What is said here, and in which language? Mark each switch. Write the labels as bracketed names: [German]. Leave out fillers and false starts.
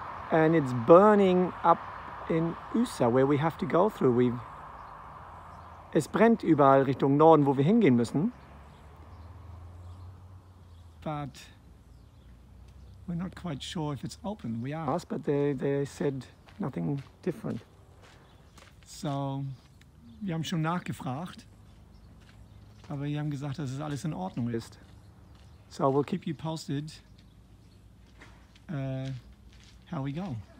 [English] And it's burning up in Usa, where we have to go through. [German] Es brennt überall Richtung Norden, wo wir hingehen müssen. [English] But we're not quite sure if it's open. We are. Us, but they said nothing different. [German] So, wir haben schon nachgefragt, aber die haben gesagt, dass es alles in Ordnung ist. [English] So, we'll keep you posted how we go.